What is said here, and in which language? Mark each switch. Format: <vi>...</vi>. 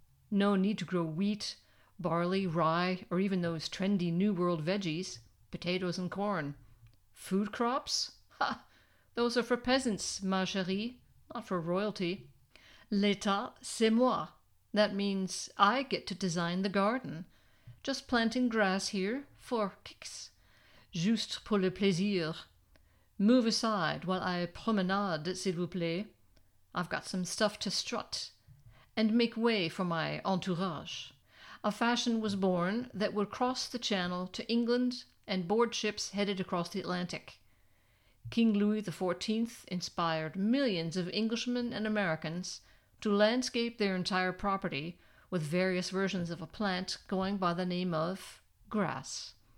<en>No need to grow wheat, barley, rye, or even those trendy New World veggies, potatoes and corn. Food crops? Ha! Those are for peasants,</en> <fr>ma chérie,</fr> <en>not for royalty.</en> <fr>L'état, c'est moi.</fr> <en>That means I get to design the garden. Just planting grass here for kicks.</en> <fr>Juste pour le plaisir.</fr> <en>Move aside while I promenade,</en> <fr>s'il vous plaît.</fr> <en>I've got some stuff to strut and make way for my entourage. A fashion was born that would cross the channel to England and board ships headed across the Atlantic. King Louis XIV inspired millions of Englishmen and Americans to landscape their entire property with various versions of a plant going by the name of grass.</en>